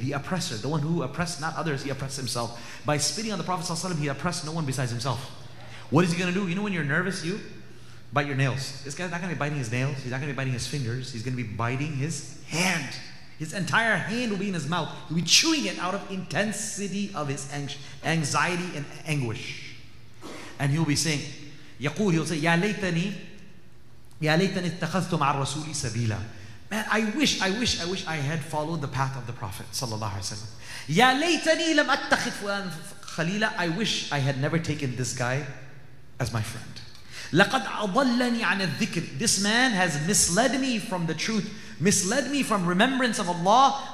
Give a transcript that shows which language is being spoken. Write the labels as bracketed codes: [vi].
[en] The oppressor, the one who oppressed not others, he oppressed himself. By spitting on the Prophet, he oppressed no one besides himself. What is he going to do? You know when you're nervous, you bite your nails. This guy's not going to be biting his nails. He's not going to be biting his fingers. He's going to be biting his hand. His entire hand will be in his mouth. He'll be chewing it out of intensity of his anxiety and anguish. And he'll be saying, [ar] يقول, [en] he'll say, [ar] يَا لَيْتَنِي اتَّخَذْتُ مَعَ الرَّسُولِ سَبِيلًا. [en] Man, I wish I had followed the path of the Prophet sallallahu alaihi wasallam. [ar] Ya laytani lam attakhid fulan khalila. [en] I wish I had never taken this guy as my friend. [ar] Laqad adallani an adh-dhikr. [en] This man has misled me from the truth, misled me from remembrance of Allah.